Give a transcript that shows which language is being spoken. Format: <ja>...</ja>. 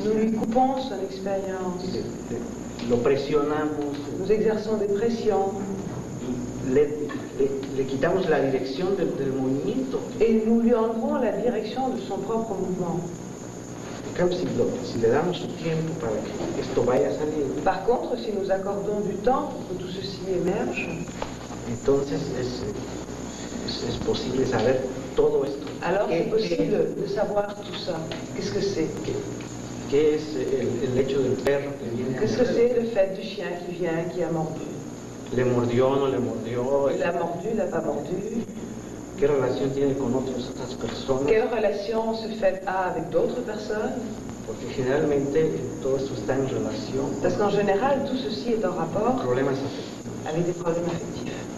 <fr>Nous lui coupons son expérience.</fr> <es>Lo presionamos.</es> <fr>Nous exerçons des pressions.</fr> <es>Le quitamos la dirección del movimiento.</es> <fr>Et nous lui enlevons la direction de son propre mouvement.</fr> <es>Si le damos su tiempo para que esto vaya saliendo.</es> <fr>Par contre, si nous accordons du temps pour que tout ceci émerge,</fr> <es>entonces es posible saber todo esto.</es> <fr>Alors, c'est possible de savoir tout ça. Qu'est-ce que c'est?</fr> <es>¿Qué es el hecho del perro que viene?</es> <fr>Qu'est-ce que c'est le fait du chien qui vient, qui a mordu?</fr> <es>¿Le mordió o no le mordió?</es> <fr>¿La mordu, la pas mordu?</fr> <es>¿Qué relación tiene con otras personas?</es> <fr>¿Quelle relation ce fait a avec d'autres personnes?</fr> <es>Porque generalmente todo esto está en relación.</es> <fr>Parce qu'en général, tout ceci est en rapport.</fr> <es>Problemas afectivos.</es> <fr>Avec des problèmes affectifs.</fr>